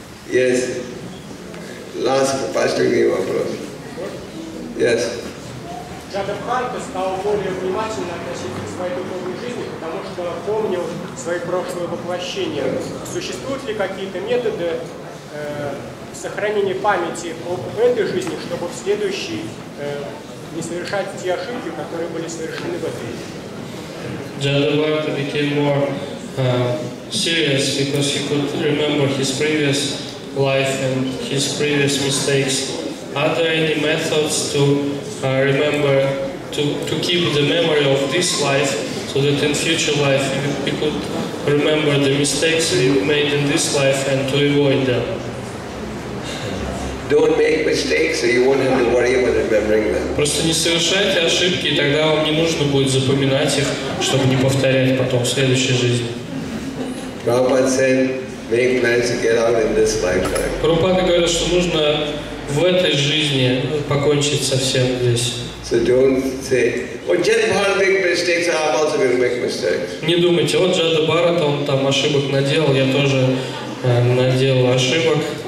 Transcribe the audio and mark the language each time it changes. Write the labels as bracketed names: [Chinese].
[English] Yes. Last [Russian] последний вопрос. [English] Yes. [Russian] Джатабхарта стал более внимательно относиться к своей духовной жизни, потому что помнил свои прошлые воплощения. Существуют ли какие-то методы сохранения памяти об этой жизни, чтобы в следующей [English] Jadavarta became more serious because he could remember his previous life and his previous mistakes. Are there any methods to remember, to keep the memory of this life so that in future life he could remember the mistakes he made in this life and to avoid them? Don't make mistakes, so you won't have to worry about remembering them. [Russian] Просто не совершайте ошибки, и тогда вам не нужно будет запоминать их, чтобы не повторять потом в следующей жизни. [English] Prabhupada said, make plans to get out in this lifetime. [Russian] Прабхупада говорит, что нужно в этой жизни покончить со всем здесь. [English] So don't say, oh, Jadavarta make mistakes, I'm also going to make mistakes. [Russian] Не думайте, вот Jadavarta, он там ошибок наделал, я тоже наделал ошибок.